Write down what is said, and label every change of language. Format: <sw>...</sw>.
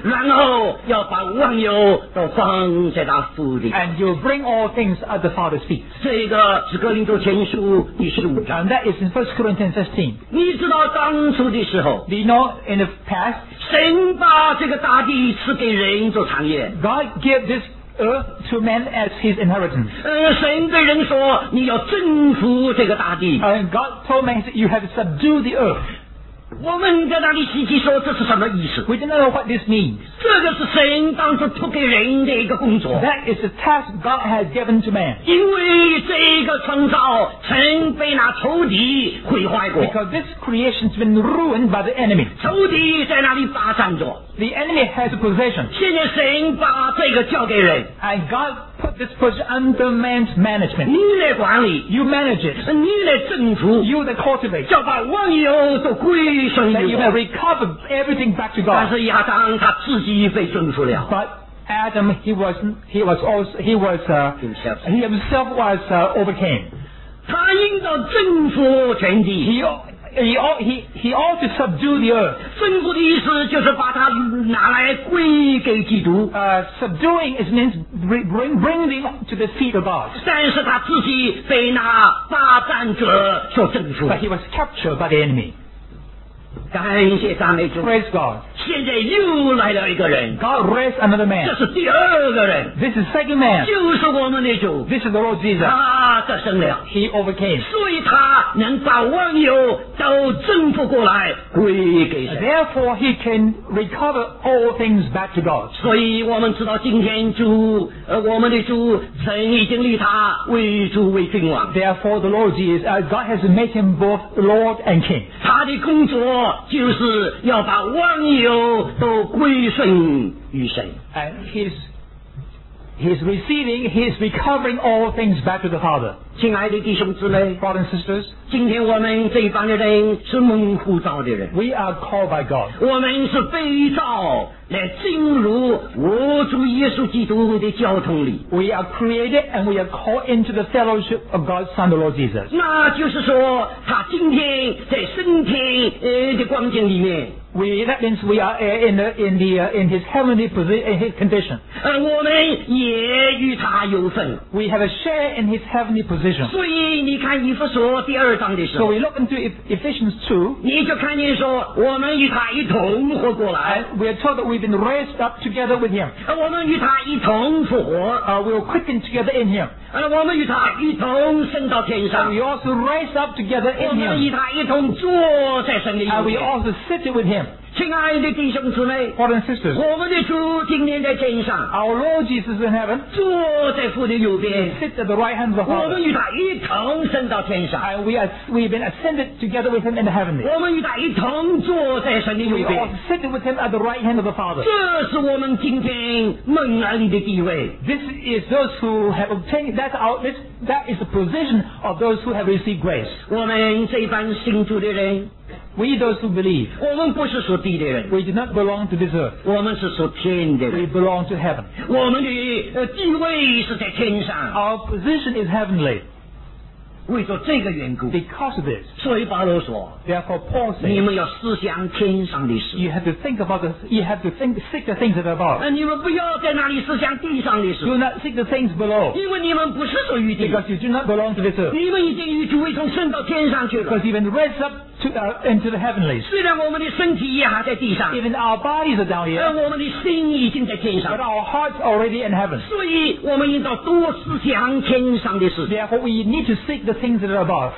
<en>And he will bring all things at the Father's feet. And that is in 1 Corinthians 16. Do you know in the past? God gave this earth to men as his inheritance.</en> <zh>神对人说你要征服这个大地。</zh> <en>God told men that you have subdued the earth.</en> <zh>我们在那里细细说这是什么意思。</zh> <en>We don't know what this means.</en> <zh>这个是神当初托给人的一个工作。</zh> <en>That is the task God has given to man.</en> <zh>因为这个创造曾被那仇敌毁坏过。</zh> <en>Because this creation has been ruined by the enemy.</en> <zh>仇敌在那里霸占着。</zh> <en>The enemy has a possession.</en> <zh>现在神把这个交给人。</zh> <en>And God put this possession under man's management.</en> <zh>你来管理。</zh> <en>You manage it.</en> <zh>你来征服。</zh> <en>You that cultivate.</en> <zh>叫把万有都归顺你。</zh> <en>You may recover everything back to God.</en> <zh>但是亚当他自己被征服了。</zh> <en>But Adam, he himself was overcame.</en> <zh>他应当征服全地。</zh> <en>He ought to subdue the earth.</en> <zh>征服的意思就是把它拿来归给基督。</zh> <en>Subduing is means bringing to the feet of God.</en> <zh>但是他自己被那霸占者所征服。</zh> <en>But he was captured by the enemy.</en> <zh>感谢赞美主。</zh> <en>Praise God.</en> <zh>现在又来了一个人。</zh> <en>God raised another man.</en> <zh>这是第二个人。</zh> <en>This is second man.</en> <zh>就是我们的主。</zh> <en>This is the Lord Jesus.</en> <zh>他得胜了。</zh> <en>He overcame.</en> <zh>所以他能把万有都征服过来归给神。</zh> <en>Therefore, he can recover all things back to God.</en> <zh>所以我们知道今天主，我们的主，神已经立他为主为君王。</zh> <en>Therefore, the Lord Jesus, God has made him both Lord and King.</en> <zh>他的工作就是要把万有都归顺于神。</zh> <en>And he's receiving, he's recovering all things back to the Father.</en> <zh>亲爱的弟兄姊妹</zh> <en>Brothers and sisters,</en> <zh>今天我们这一帮的人是蒙呼召的人。</zh> <en>We are called by God.</en> <zh>我们是被召来进入我主耶稣基督的交通里。</zh> <en>We are created and we are called into the fellowship of God's Son, the Lord Jesus.</en> <zh>那就是说他今天在升天的光景里面。</zh> <en>That means we are in his heavenly position, in his condition.</en> <zh>我们也与他有份。</zh> <en>We have a share in his heavenly position.</en> <zh>所以你看以弗所第二章的时候。</zh> <en>So we look into Ephesians 2.</en> <zh>你就看见说我们与他一同活过来。</zh> <en>We are told that we've been raised up together with him.</en> <zh>我们与他一同复活。</zh> <en>We are quickened together in him.</en> <zh>我们与他一同升到天上。</zh> <en>We also raised up together in him.</en> <zh>我们与他一同坐在神的右边。</zh> <en>We also sit with him.</en> <zh>亲爱的弟兄姊妹</zh> <en>Brothers and sisters,</en> <zh>我们的主今天在天上</zh> <en>Our Lord Jesus in heaven</en> <zh>坐在父的右边</zh> <en>Sit at the right hand of the Father</en> <zh>我们与他一同升到天上</zh> <en>And we've been ascended together with him in the heavenly</en> <zh>我们与他一同坐在神的右边</zh> <en>We all sit with him at the right hand of the Father</en> <zh>这是我们今天蒙恩的地位</zh> <en>This is those who have obtained that is the position of those who have received grace</en> <zh>我们这般信主的人</zh> <en>We those who believe.</en> <zh>我们不是属地的人。</zh> <en>We do not belong to this earth.</en> <zh>我们是属天的人。</zh> <en>We belong to heaven.</en> <zh>我们的地位是在天上。</zh> <en>Our position is heavenly.</en> <zh>为着这个缘故</zh> <en>because of this</en> <zh>所以保罗说</zh> <en>therefore Paul says</en> <zh>你们要思想天上的事</zh> <en>you have to think about the, you have to think, seek the things that are above</en> <zh>你们不要在那里思想地上的事</zh> <en>do not seek the things below</en> <zh>因为你们不是属于地</zh> <en>because you do not belong to this earth</en> <zh>你们已经与主一同升到天上去了</zh> <en>because you've been raised up to,、into the heavenlies</en> <zh>虽然我们的身体也还在地上</zh> <en>even our bodies are down here</en> <zh>而我们的心已经在天上</zh> <en>but our hearts are already in heaven</en> <zh>所以我们应当多思想天上的事</zh> <en>therefore we need to seek the things that are above</en>